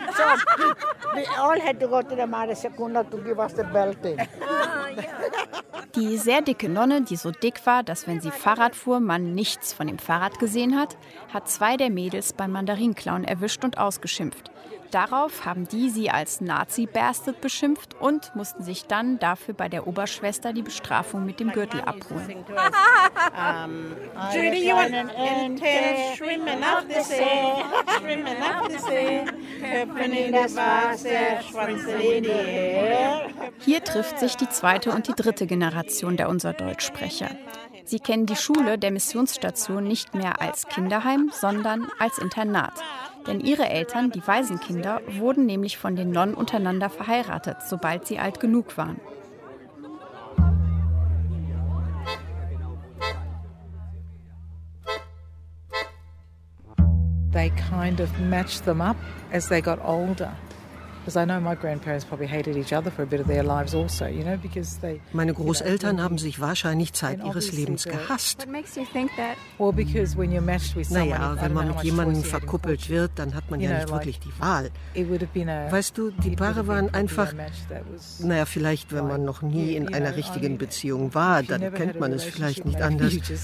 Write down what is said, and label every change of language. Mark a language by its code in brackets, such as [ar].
[en] So we all had to go to the Madre Secunda to give us the belting. [de] Die sehr dicke Nonne, die so dick war, dass wenn sie Fahrrad fuhr, man nichts von dem Fahrrad gesehen hat, hat zwei der Mädels beim Mandarinklauen erwischt und ausgeschimpft. Darauf haben die sie als Nazi-Bastard beschimpft und mussten sich dann dafür bei der Oberschwester die Bestrafung mit dem Gürtel abholen. [en] Judy, you want to swim enough to say, swim enough to say, [de] Köpfen in das Wasser, Schwanz in die Ehe. Hier trifft sich die zweite und die dritte Generation der unser Deutschsprecher. Sie kennen die Schule der Missionsstation nicht mehr als Kinderheim, sondern als Internat. Denn ihre Eltern, die Waisenkinder, wurden nämlich von den Nonnen untereinander verheiratet, sobald sie alt genug waren. [en] they kind of matched them up as they got older. Because I know my grandparents probably hated each other for a bit of their lives also, you know, because they... [de] Meine Großeltern haben sich wahrscheinlich Zeit ihres Lebens gehasst. [en] What makes you think that? Well, because when you're matched with someone... [de] Naja, wenn man mit jemandem verkuppelt wird, dann hat man ja nicht wirklich die Wahl. Weißt du, die Paare waren einfach... Naja, vielleicht, wenn man noch nie in einer richtigen Beziehung war, dann kennt man es vielleicht nicht anders.